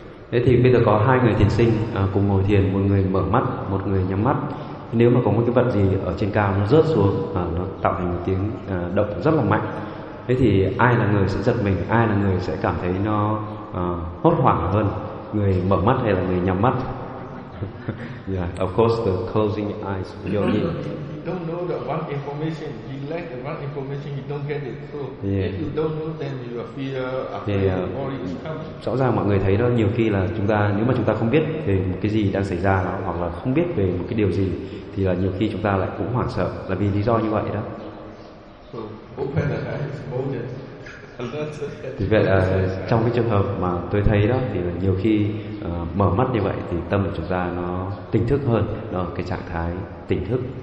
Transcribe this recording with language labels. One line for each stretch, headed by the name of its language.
Vietnamese: Thế thì bây giờ có hai người thiền sinh cùng ngồi thiền, một người mở mắt, một người nhắm mắt. Nếu mà có một cái vật gì ở trên cao nó rớt xuống, nó tạo thành một tiếng động rất là mạnh. Thế thì ai là người sẽ giật mình, ai là người sẽ cảm thấy nó hốt hoảng hơn, người mở mắt hay là người nhắm mắt?
English: Yeah, of course the closing eyes. Yogi don't know the one information, he lack the one information, he don't get it. So if you don't know, then you are fear, worry is coming.
Vietnamese: Rõ ràng mọi người thấy đó, nhiều khi là chúng ta, nếu mà chúng ta không biết về một cái gì đang xảy ra đó, hoặc là không biết về một cái điều gì, thì là nhiều khi chúng ta lại cũng hoảng sợ, là vì lý do như vậy đó.
English: So open the eyes, more than alert.
Vietnamese: Thì vậy là trong cái trường hợp mà tôi thấy đó, thì là nhiều khi mở mắt như vậy thì tâm của chúng ta nó tỉnh thức hơn, đó là cái trạng thái tỉnh thức.